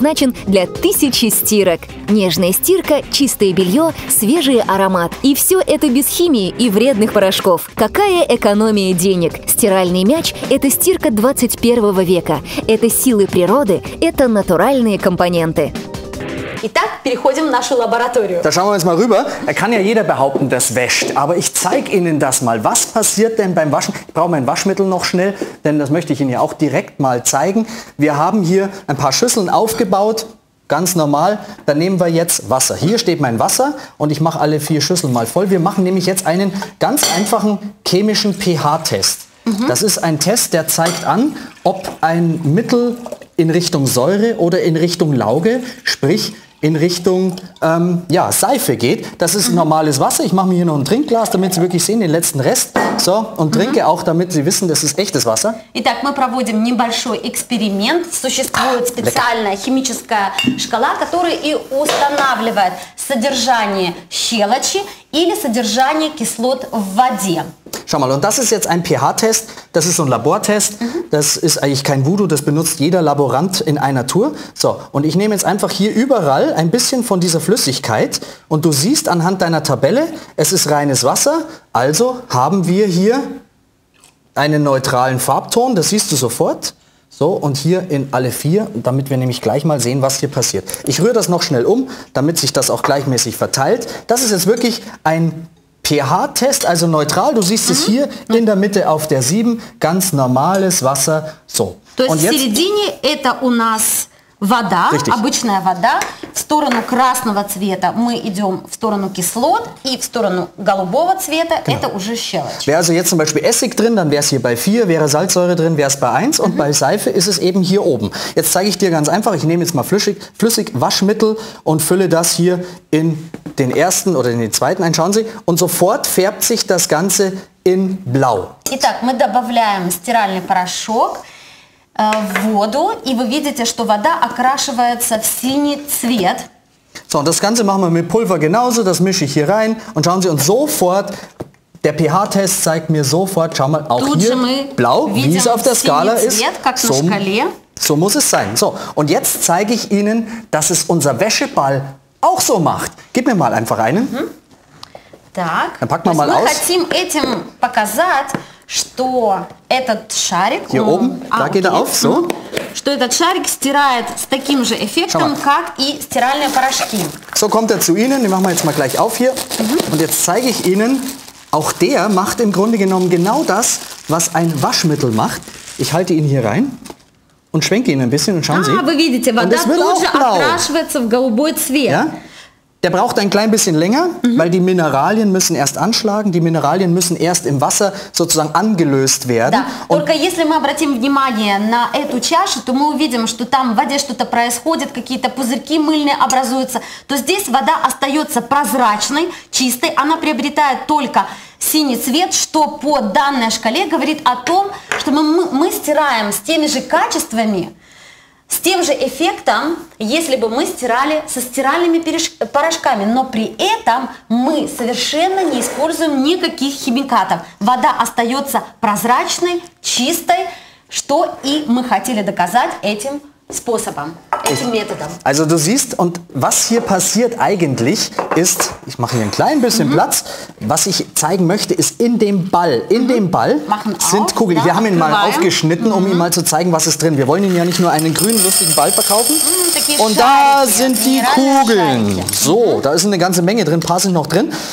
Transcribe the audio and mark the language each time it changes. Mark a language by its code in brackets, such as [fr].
[ru] предназначен для тысячи стирок. Нежная стирка, чистое белье, свежий аромат. И все это без химии и вредных порошков. Какая экономия денег? Стиральный мяч – это стирка 21 века. Это силы природы, это натуральные компоненты. Итак, переходим в нашу лабораторию. [de] Da schauen wir uns mal rüber. Er kann ja jeder behaupten, das wäscht. Aber ich zeige Ihnen das mal. Was passiert denn beim Waschen? Ich brauche mein Waschmittel noch schnell, denn das möchte ich Ihnen ja auch direkt mal zeigen. Wir haben hier ein paar Schüsseln aufgebaut, ganz normal. Dann nehmen wir jetzt Wasser. Hier steht mein Wasser und ich mache alle vier Schüsseln mal voll. Wir machen nämlich jetzt einen ganz einfachen chemischen pH-Test. Das ist ein Test, der zeigt an, ob ein Mittel in Richtung Säure oder in Richtung Lauge, sprich in Richtung Seife geht. Das ist normales Wasser. Ich mache mir hier noch ein Trinkglas, damit Sie wirklich sehen, den letzten Rest. So, und trinke auch, damit Sie wissen, das ist echtes Wasser. [ru] Итак, мы проводим небольшой эксперимент. Существует специальная химическая шкала, которая и устанавливает содержание щелочи или содержание кислот в воде. [de] Schau mal, und das ist jetzt ein pH-Test, das ist so ein Labortest, das ist eigentlich kein Voodoo, das benutzt jeder Laborant in einer Tour. So, und ich nehme jetzt einfach hier überall ein bisschen von dieser Flüssigkeit und du siehst anhand deiner Tabelle, es ist reines Wasser, also haben wir hier einen neutralen Farbton, das siehst du sofort. So, und hier in alle vier, damit wir nämlich gleich mal sehen, was hier passiert. Ich rühre das noch schnell um, damit sich das auch gleichmäßig verteilt. Das ist jetzt wirklich ein pH-Test, also neutral. Du siehst es hier in der Mitte auf der 7, ganz normales Wasser. So. [ru] То есть в середине это у нас вода, обычная вода. В сторону красного цвета мы идем в сторону кислот и в сторону голубого цвета это уже щелочь. [de] Wäre also jetzt zum Beispiel Essig drin, dann wäre es hier bei 4, wäre Salzsäure drin, wäre es bei 1 und bei Seife ist es eben hier oben. Jetzt zeige ich dir ganz einfach, ich nehme jetzt mal flüssig Waschmittel und fülle das hier in den ersten oder in den zweiten ein, schauen Sie, und sofort färbt sich das Ganze in blau. [ru] Итак, мы добавляем стиральный порошок в воду, и вы видите, что вода окрашивается в синий цвет. [de] So, und das Ganze machen wir mit Pulver genauso, das mische ich hier rein, und schauen Sie, und sofort, der pH-Test zeigt mir sofort, schau mal, auch [ru] тут [de] hier blau, wie es auf der Skala ist. [ru] Цвет, как на шкале. [de] So muss es sein. So, und jetzt zeige ich Ihnen, dass es unser Wäscheball auch so macht. Gib mir mal einfach einen. [ru] Так. [de] Dann packen wir mal aus. [ru] Мы хотим этим показать, что этот шарик, [de] hier oben, da geht er auf, so. [ru] Что этот шарик стирает с таким же эффектом, как и стиральные порошки. [de] So kommt er zu Ihnen. Den machen wir jetzt mal gleich auf hier. Und jetzt zeige ich Ihnen, auch der macht im Grunde genommen genau das, was ein Waschmittel macht. Ich halte ihn hier rein. Und schwenke ihn ein bisschen und schauen Sie. [ru] Вы видите, вода тут же окрашивается в голубой цвет. [de] Ja? Der braucht ein klein bisschen länger, weil die Mineralien müssen erst anschlagen, die Mineralien müssen erst im Wasser sozusagen angelöst werden. [ru] Да, только если мы обратим внимание на эту чашу, то мы увидим, что там в воде что-то происходит, какие-то пузырьки мыльные образуются, то здесь вода остается прозрачной, чистой, она приобретает только синий цвет, что по данной шкале говорит о том, что мы стираем с теми же качествами, с тем же эффектом, если бы мы стирали со стиральными порошками, но при этом мы совершенно не используем никаких химикатов. Вода остается прозрачной, чистой, что и мы хотели доказать этим способом, этим методом. [de] Also du siehst, und was hier passiert eigentlich ist, ich mache hier ein klein bisschen Platz, was ich zeigen möchte, ist in dem Ball, in dem Ball sind Kugeln. Ja, wir haben ihn mal aufgeschnitten, um ihm mal zu zeigen, was ist drin. Wir wollen ihn ja nicht nur einen grünen, lustigen Ball verkaufen. Und da sind die Kugeln. So, da ist eine ganze Menge drin, ein paar sind noch drin.